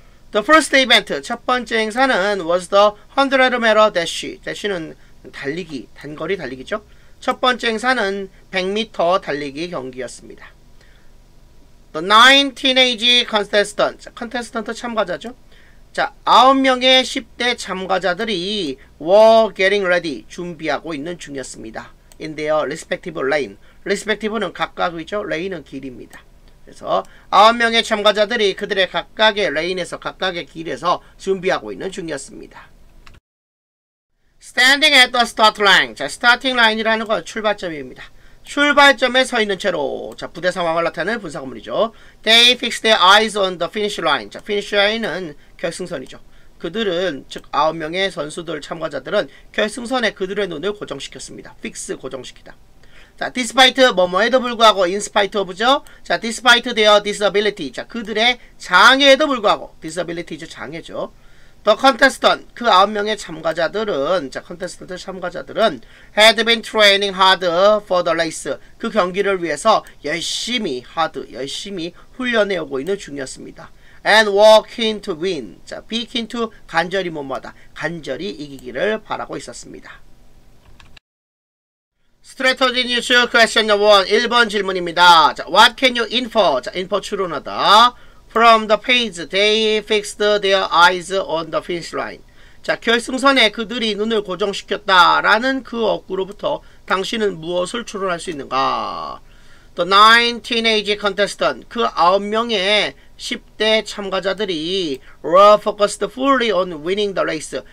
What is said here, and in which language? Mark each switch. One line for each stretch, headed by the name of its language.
English: The first event,
Korean: 첫 번째 행사는
English: was the 100m dash.
Korean: Dash는 달리기, 단거리 달리기죠. 첫 번째 행사는 100m 달리기 경기였습니다.
English: The 9 teenage contestants, contestant 참가자죠.
Korean: 자, 9명의 10대 참가자들이
English: were getting ready,
Korean: 준비하고 있는 중이었습니다.
English: In their respective lane.
Korean: Respective는 각각이죠. Lane은 길입니다. 그래서 9명의 참가자들이 그들의 각각의 레인에서 각각의 길에서 준비하고 있는 중이었습니다.
English: Standing at the start line.
Korean: 자, starting line이라는 건 출발점입니다. 출발점에 서 있는 채로 자, 부대 상황을 나타낼 분사구문이죠.
English: They fixed their eyes on the finish line.
Korean: 자, finish line은 결승선이죠. 그들은 즉 9명의 선수들 참가자들은 결승선에 그들의 눈을 고정시켰습니다. Fix 고정시키다. 자, despite 뭐뭐에도 불구하고
English: in spite of
Korean: 죠. 자,
English: despite their disability.
Korean: 자, 그들의 장애에도 불구하고 disability죠. 장애죠.
English: The contestant.
Korean: 그 9명의 참가자들은 자, contestant 참가자들은
English: had been training hard for the race.
Korean: 그 경기를 위해서 열심히 hard 열심히 훈련해 오고 있는 중이었습니다.
English: And were keen to win.
Korean: 자, be keen to 간절히 뭐뭐하다. 간절히 이기기를 바라고 있었습니다.
English: Strategy News Question No. 1,
Korean: 1번 질문입니다.
English: 자, what can you infer?
Korean: 자, infer 추론하다.
English: From the page, they fixed their eyes on the finish line.
Korean: 자, 결승선에 그들이 눈을 고정시켰다라는 그 억구로부터 당신은 무엇을 추론할 수 있는가?
English: The 9 teenage contestants,
Korean: 그 9명의 10대 참가자들이
English: were focused fully on winning the race.